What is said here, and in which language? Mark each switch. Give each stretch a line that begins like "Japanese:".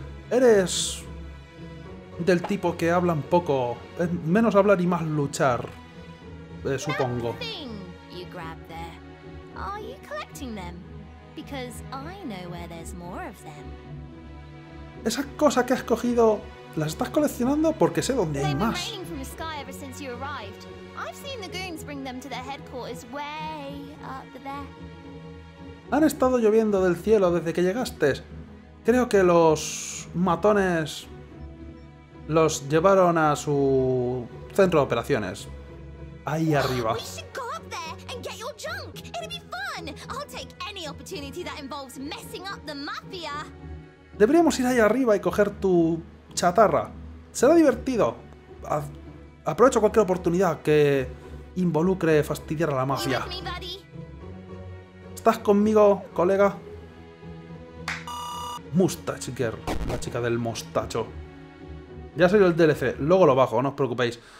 Spanish: Eres del tipo que habla un poco, menos hablar y más luchar, supongo.
English: That thing you grabbed there. Are you collecting them? Because I know where there's more of them.
Spanish: Esa cosa que has cogido, ¿las estás coleccionando? Porque sé dónde hay más.
English: They've been raining from the sky ever since you arrived. I've seen the goons bring them to their headquarters way up there.
Spanish: Han estado lloviendo del cielo desde que llegaste. Creo que los matones los llevaron a su centro de operaciones. Ahí arriba.
English: We should go up there and get your junk. It'll be fun. I'll take any opportunity that involves messing up the mafia.
Spanish: Deberíamos ir ahí arriba y coger tu chatarra. Será divertido. Aprovecho cualquier oportunidad que involucre fastidiar a la mafia. ¿Estás conmigo, colega? Mustache Girl, la chica del mostacho. Ya salió el DLC, luego lo bajo, no os preocupéis.